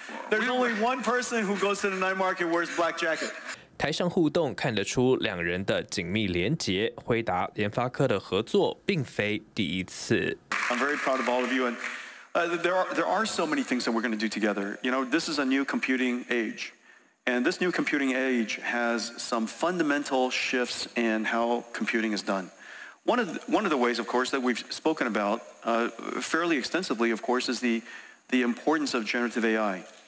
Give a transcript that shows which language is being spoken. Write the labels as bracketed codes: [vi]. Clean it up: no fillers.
[en] There's only one person who goes to the night market wears black jacket. [zh] 台上互动看得出两人的紧密连结，辉达联发科的合作并非第一次。 [en] I'm very proud of all of you, and there are so many things that we're going to do together. You know, this is a new computing age. And this new computing age has some fundamental shifts in how computing is done. One of the ways, of course, that we've spoken about fairly extensively, of course, is the importance of generative AI.